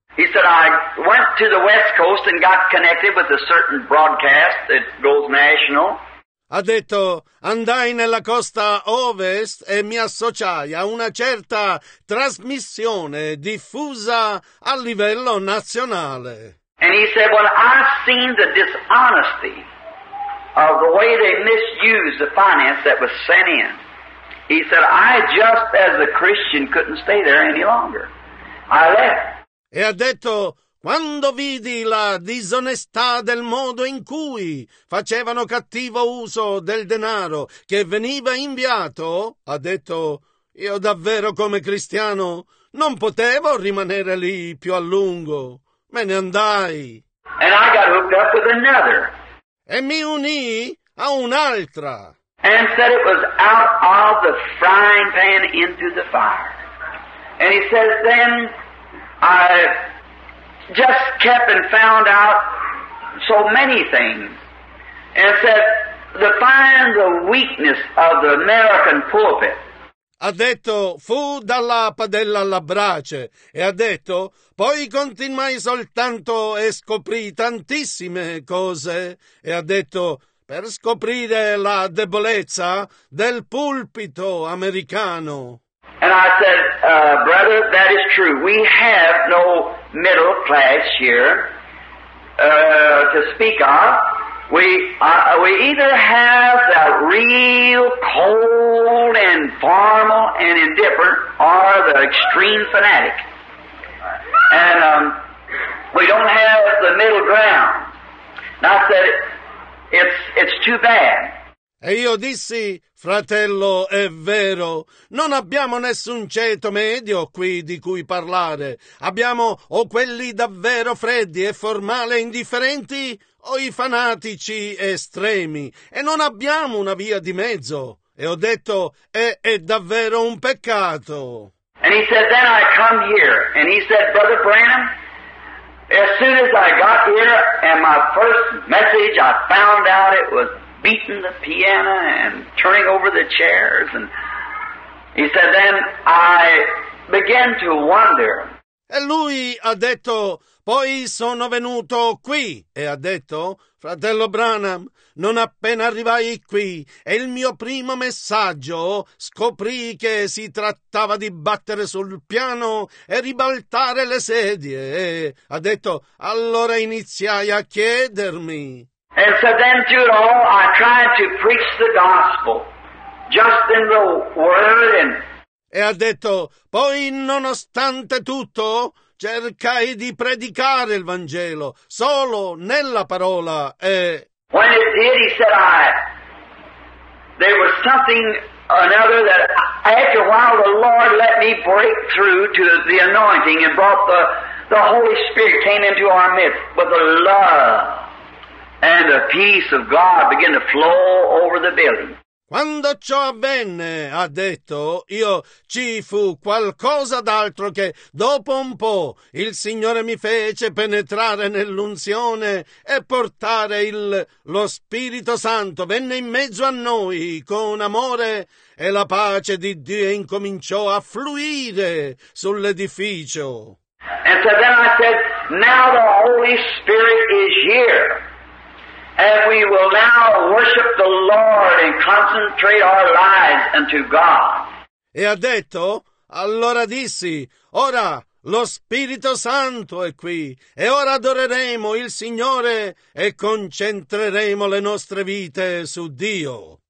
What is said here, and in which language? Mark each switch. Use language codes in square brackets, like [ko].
[en] He said, I went to the West Coast and got connected with a certain broadcast that goes national. [it] Ha detto, andai nella costa ovest e mi associai a una certa trasmissione diffusa a livello nazionale. [en] And he said, well, I've seen the dishonesty of the way they misused the finance that was sent in. He said, I just as a Christian couldn't stay there any longer. I left. [it] E ha detto, quando vidi la disonestà del modo in cui facevano cattivo uso del denaro che veniva inviato, ha detto, io davvero come cristiano non potevo rimanere lì più a lungo. Me ne andai. [en] And I got hooked up with another. [it] E mi unì a un'altra. [en] And said it was out of the frying pan into the fire. And he says, then I just kept and found out so many things, and said, the find the weakness of the American pulpit. [it] ha detto, fu dalla padella alla brace, e ha detto, poi continuai soltanto e scoprì tantissime cose, e ha detto, per scoprire la debolezza del pulpito americano. [en] And I said, brother, that is true. We have no middle class here to speak of. We either have the real cold and formal and indifferent, or the extreme fanatic. And we don't have the middle ground. And I said, it's too bad. [it] E io dissi, fratello, è vero, non abbiamo nessun ceto medio qui di cui parlare. Abbiamo o quelli davvero freddi e formali e indifferenti o i fanatici estremi. E non abbiamo una via di mezzo. E ho detto, è davvero un peccato. [en] And he said, then I come here. And he said, Brother Branham, as soon as I got here and my first message, I found out it was beating the piano and turning over the chairs, and he said, then I began to wonder. [it] E lui ha detto, poi sono venuto qui, e ha detto, fratello Branham, non appena arrivai qui, e il mio primo messaggio, scoprì che si trattava di battere sul piano e ribaltare le sedie, e ha detto, allora iniziai a chiedermi. [en] And so then through it all, I tried to preach the gospel, just in the word and... [it] E ha detto, poi nonostante tutto, cercai di predicare il Vangelo, solo nella parola, e... [en] When it did, he said, there was something or another that after a while the Lord let me break through to the anointing and brought the Holy Spirit came into our midst with the love. And the peace of God began to flow over the building. [it] Quando ciò avvenne, ha detto, io ci fu qualcosa d'altro che dopo un po' il Signore mi fece penetrare nell'unzione e portare lo Spirito Santo venne in mezzo a noi con amore e la pace di Dio incominciò a fluire sull'edificio. [en] And so then I said, now the Holy Spirit is here. And we will now worship the Lord and concentrate our lives unto God. [it] E ha detto, allora dissi, ora lo Spirito Santo è qui, e ora adoreremo il Signore e concentreremo le nostre vite su Dio.